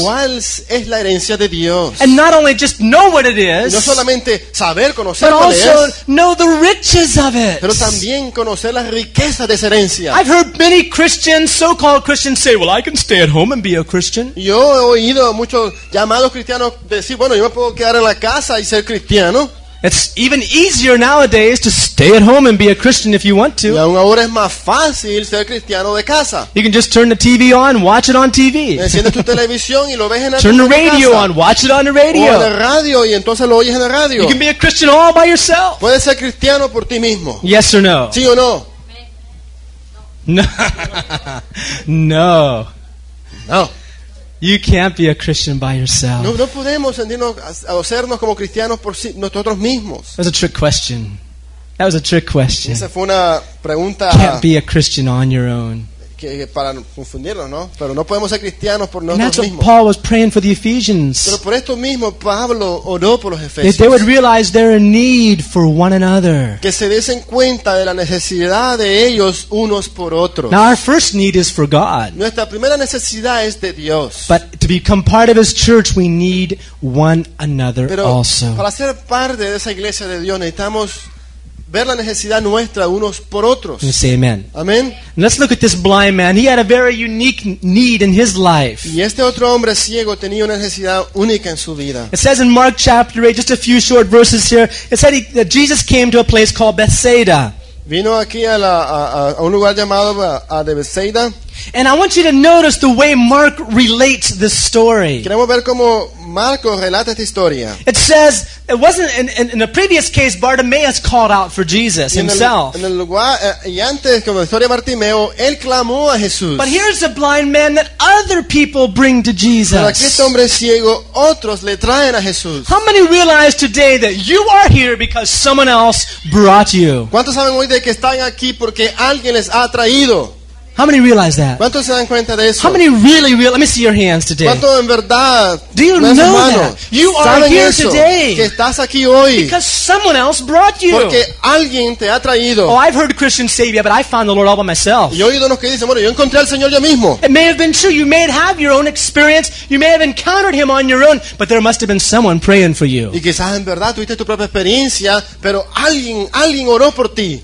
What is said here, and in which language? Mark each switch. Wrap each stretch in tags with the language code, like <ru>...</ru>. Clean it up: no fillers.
<es>¿Cuál es la herencia de Dios?</es> <en>And not only just know what it is.</en> <es>No solamente saber conocer cuál es.</es> <en>But also know the riches of it.</en> <es>Pero también conocer las riquezas de esa herencia.</es> <en>I've heard many Christians, so-called Christians, say, "Well, I can stay at home and be a Christian."</en> <es>Yo he oído muchos llamados cristianos decir, "Bueno, yo me puedo quedar en la casa y ser cristiano."</es> <en>It's even easier nowadays to stay at home and be a Christian if you want to.</en> <es>Y aún ahora es más fácil ser cristiano de casa.</es> <en>You can just turn the TV on, watch it on TV.</en> <es>Enciendes tu televisión y lo ves en la casa.</es> <en>Turn the radio on, watch it on the radio.</en> <es>O en la radio y entonces lo oyes en la radio.</es> <en>You can be a Christian all by yourself.</en> <es>Puedes ser cristiano por ti mismo.</es> <en>Yes or no?</en> <es>Sí o no? No. No. No.</es> <en>You can't be a Christian by yourself.</en> <es>No, no podemos sentirnos a hacernos como cristianos por nosotros mismos.</es> <en>That was a trick question. That was a trick question.</en> <es>Esa fue una pregunta.</es> <en>Can't be a Christian on your own.</en> <es>Que para confundirnos, ¿no? Pero no podemos ser cristianos por nosotros mismos.</es> <en>That's what Paul was praying for the Ephesians.</en> <es>Pero por esto mismo Pablo oró por los Efesios.</es> <en>That they would realize their need for one another.</en> <es>Que se diesen cuenta de la necesidad de ellos unos por otros.</es> <en>Now our first need is for God.</en> <es>Nuestra primera necesidad es de Dios.</es> <en>But to become part of His church, we need one another</en> <es>Pero</es> <en>also.</en> <es>Para ser parte de esa iglesia de Dios necesitamos ver la necesidad nuestra unos por otros.</es> <en>You say amen. Amen. And let's look at this blind man. He had a very unique need in his life.</en> <es>Y este otro hombre ciego tenía una necesidad única en su vida.</es> <en>It says in Mark chapter 8, just a few short verses here. It said that Jesus came to a place called Bethsaida.</en> <es>Vino aquí a un lugar llamado de Bethsaida.</es> <en>And I want you to notice the way Mark relates this story.</en> <es>Queremos ver cómo Marco relata esta historia.</es> <en>It says it wasn't in the previous case Bartimaeus called out for Jesus himself.</en> <es>En el lugar y antes como la historia de Bartimeo, él clamó a Jesús.</es> <en>But here's a blind man that other people bring to Jesus.</en> <es>Pero aquí este hombre ciego otros le traen a Jesús.</es> <en>How many realize today that you are here because someone else brought you?</en> <es>¿Cuántos saben hoy de que están aquí porque alguien les ha traído?</es> <en>How many realize that?</en> <es>¿Cuántos se dan cuenta de eso?</es> <en>How many really realize? Let me see your hands today.</en> <es>¿Cuántos en verdad?</es> <en>Do you know that? You are here</en> <es>eso,</es> <en>today.</en> <es>Que estás aquí hoy.</es> <en>Because someone else brought you.</en> <es>Porque alguien te ha traído.</es> <en>Oh, I've heard Christians say, yeah, but I found the Lord all by myself.</en> <es>Y he oído unos que dicen, bueno, yo encontré al Señor yo mismo.</es> <en>It may have been true. You may have your own experience. You may have encountered Him on your own. But there must have been someone praying for you.</en> <es>Y quizás en verdad tuviste tu propia experiencia, pero alguien oró por ti.</es>